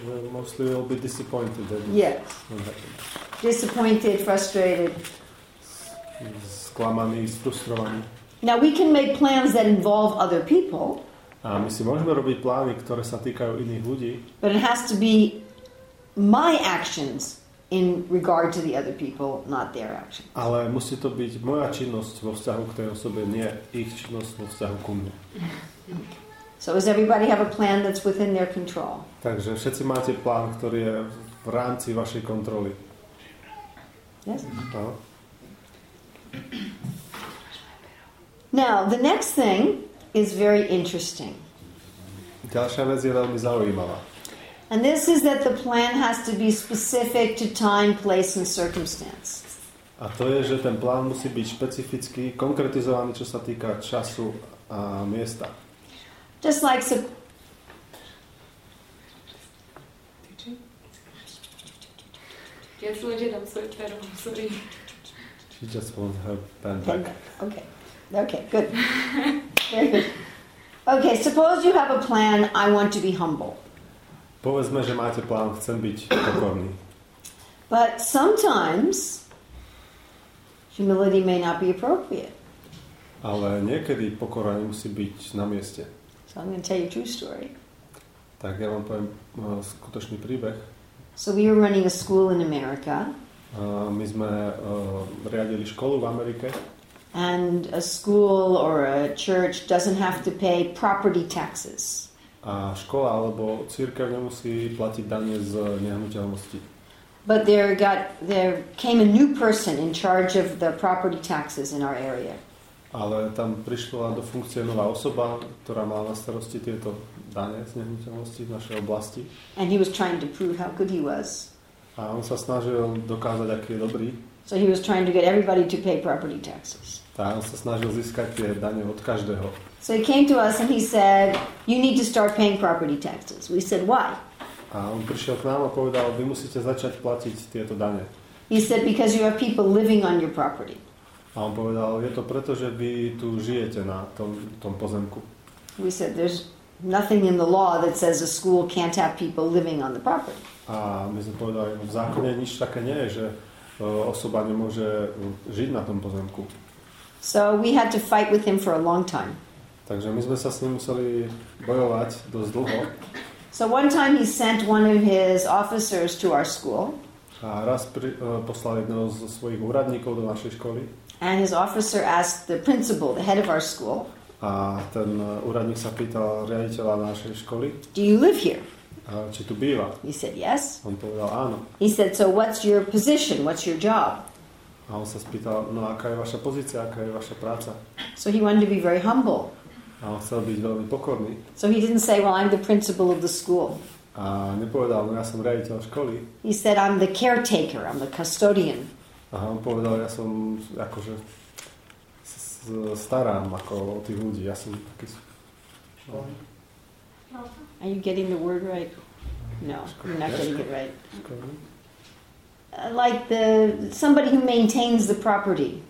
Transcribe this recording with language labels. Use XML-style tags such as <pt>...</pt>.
<en>Mostly we'll be disappointed. Yes. Disappointed, frustrated.</en> <sk>Sklamaný, sfrustrovaný.</sk> <en>Now we can make plans that involve other people.</en> <sk>A my si môžeme robiť plány, ktoré sa týkajú iných ľudí.</sk> <en>But it has to be my actions in regard to the other people, not their actions.</en> <sk>Ale musí to byť moja činnosť vo vzťahu k tej osobe, nie ich činnosť vo vzťahu ku mne.</sk> <en>So does everybody have a plan that's within their control?</en> <sk>Takže všetci máte plán, ktorý je v rámci vašej kontroly.</sk> <en>Yes. No. Now, the next thing is very interesting.</en> <sk>Ďalšia vec je veľmi zaujímavá.</sk> <en>And this is that the plan has to be specific to time, place and circumstance.</en> <sk>A to je, že ten plán musí byť špecifický, konkretizovaný, čo sa týka času a miesta.</sk> <en>Just like so. She just wants her pen back. Okay. Okay, good. Very good. Okay, suppose you have a plan, I want to be humble.</en> <sk>Povedzme, že máte plán, chcem byť pokorný.</sk> <en>But sometimes humility may not be appropriate.</en> <sk>Ale niekedy pokora nemusí byť na mieste.</sk> <en>So I'm going to tell you a true story.</en> <sk>Tak ja vám poviem skutočný príbeh.</sk> <en>So we were running a school in America.</en> <sk>My sme riadili školu v Amerike.</sk> <en>And a school or a church doesn't have to pay property taxes.</en> <sk>A škola alebo cirkev nemusí platiť dane z nehnuteľnosti.</sk> <en>But there came a new person in charge of the property taxes in our area.</en> <sk>Ale tam prišla do funkcie nová osoba, ktorá mala na starosti tieto dane z nehnuteľnosti v našej oblasti.</sk> <en>And he was trying to prove how good he was.</en> <sk>A on sa snažil dokázať, aký je dobrý.</sk> <en>So he was trying to get everybody to pay property taxes.</en> <sk>A on sa snažil získať tie dane od každého.</sk> <en>So he came to us and he said, you need to start paying property taxes. We said, why?</en> <sk>A on prišiel k nám a povedal, vy musíte začať platiť tieto dane.</sk> <en>He said, because you have people living on your property.</en> <sk>A on povedal, je to preto, že vy tu žijete na tom pozemku.</sk> <en>We said, there's Nothing in the law that says a school can't have people living on the property.</en> <sk>A my sme povedali, v zákone nič také nie je, že osoba nemôže žiť na tom pozemku.</sk> <en>So we had to fight with him for a long time.</en> <sk>Takže my sme sa s ním museli bojovať dosť dlho.</sk> <en>So one time he sent one of his officers to our school.</en> <sk>A raz poslal jedného zo svojich úradníkov do našej školy.</sk> <en>And his officer asked the principal, the head of our school.</en> <sk>A ten úradník sa pýtal riaditeľa našej školy.</sk> <en>Do you live here?</en> <sk>A či tu býva?</sk> <en>He said yes.</en> <sk>On povedal áno.</sk> <en>He said, so what's your position? What's your job?</en> <sk>A on sa spýtal, no aká je vaša pozícia, aká je vaša práca?</sk> <en>So he wanted to be very humble.</en> <sk>A on chcel byť veľmi pokorný.</sk> <en>So he didn't say, well, I'm the principal of the school.</en> <sk>A nepovedal, no ja som riaditeľ školy.</sk> <en>He said, I'm the caretaker, I'm the custodian.</en> <sk>A on povedal, ja som akože starám ako o tých ľudí. Ja som taký...</sk> <en>Are you getting the word right? No, you're not getting it right. Like the somebody who maintains the property.</en>